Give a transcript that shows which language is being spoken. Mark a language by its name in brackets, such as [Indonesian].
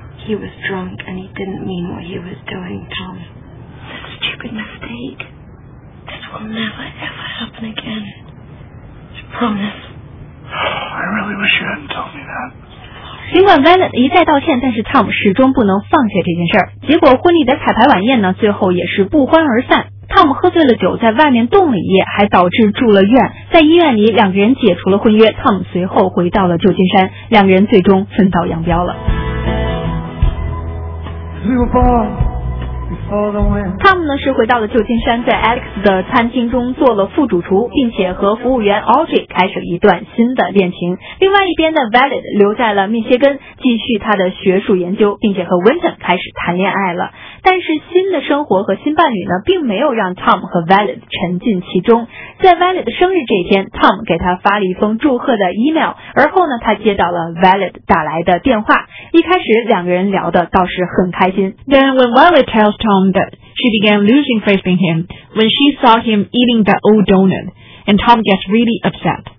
[English] He was drunk and he didn't mean what he was doing, Tom. That stupid mistake. That will never ever happen again. I promise. I really wish you hadn't told me that. [Chinese] 尽管 Violet 一再道歉，但是 Tom 始终不能放下这件事儿。结果婚礼的彩排晚宴呢，最后也是不欢而散。 Tom 喝醉了酒，在外面冻了一夜，还导致住了院。在医院里，两个人解除了婚约。Tom 随后回到了旧金山，两个人最终分道扬镳了。 Tom 呢是回到了旧金山，在 Alex 的餐厅中做了副主厨，并且和服务员 Audrey 开始了一段新的恋情。另外一边的 Violet 留在了密歇根继续他的学术研究，并且和 Winton 开始谈恋爱了。但是新的生活和新伴侣呢并没有让 Tom 和 Violet 沉浸其中。在 Violet 的生日这一天， Tom 给他发了一封祝贺的 email， 而后呢他接到了 Violet 打来的电话。一开始两个人聊的倒是很开心。 [English] Then when Violet tells Tom that she began losing faith in him when she saw him eating that old donut, and Tom gets really upset.